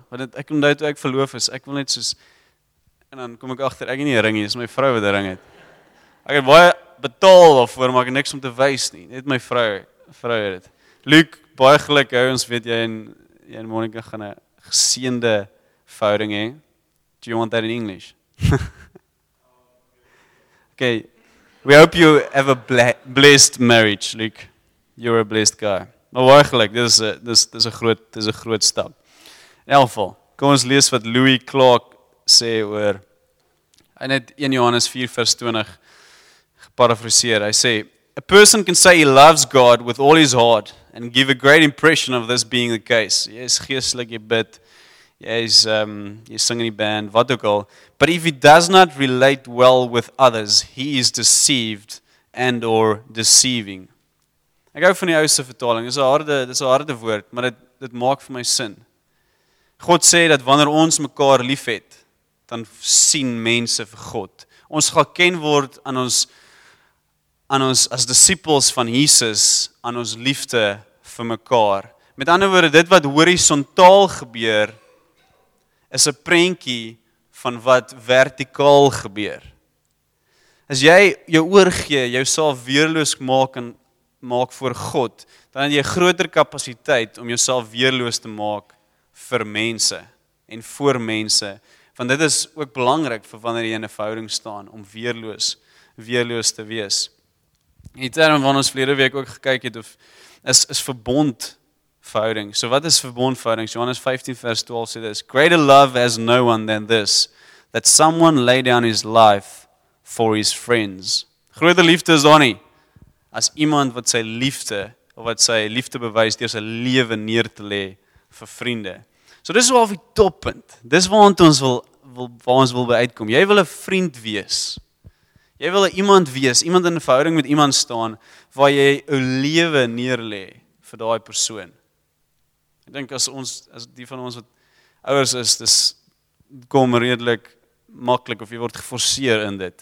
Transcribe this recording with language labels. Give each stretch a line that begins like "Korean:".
Afrikaans: Want ek onthou toe ek verloof is, ek wil net soos en dan kom ek agter, ek het nie 'n ring nie, dis my vrou wat 'n ring het. Ek het baie betaal daarvoor, maar ek het niks om te wys nie. Net my vrou het dit. Luke, baie geluk, ouens, weet jy en Monica gaan 'n geseënde verhouding hê.
English: Do you want that in English? Okay. We hope you have a blessed marriage, Luke. You're a blessed guy.
Afrikaans: Maar waarlik, dis 'n groot stap. In elk geval, kom ons lees wat Louis Clark sê oor hy net 1 Johannes 4 vers 20 geparafraseer. Hy sê,
English: "A person can say he loves God with all his heart and give a great impression of this being the case."
Afrikaans: Jy is geestelik, jy bid, jy sing in die band, wat ook al.
English: But if he does not relate well with others, he is deceived and or deceiving.
Afrikaans: Ek hou van die ouse vertaling. Dis 'n harde woord, maar dit maak vir my sin. God sê dat wanneer ons mekaar liefhet, dan sien mense vir God. Ons gaan ken word aan ons as disippels van Jesus, aan ons liefde vir mekaar. Met ander woorde, dit wat horisontaal gebeur, is 'n prentjie van wat vertikaal gebeur. As jy jou oorgee, jouself weerloos maak voor God, dan het jy groter kapasiteit om jouself weerloos te maak vir mense en voor mense. Want dit is ook belangrik vir wanneer jy in 'n verhouding staan, om weerloos te wees. In die term van ons verlede week ook gekyk het, is verbond verhouding. So wat is verbond verhouding? Johannes 15 vers 12 sê dit is,
English: greater love has no one than this, that someone lay down his life for his friends.
Afrikaans: Groter liefde is daar nie, as iemand wat sy liefde, of wat sy liefde bewys, deur sy lewe neer te lê vir vriende. So dis wel die toppunt. Dis waar ons wil by uitkom. Jy wil 'n vriend wees. Jy wil iemand wees, iemand in 'n verhouding met iemand staan, waar jy jou lewe neerlê vir daai persoon. Ek dink as die van ons wat ouers is, dis kom redelik maklik of jy word geforseer in dit.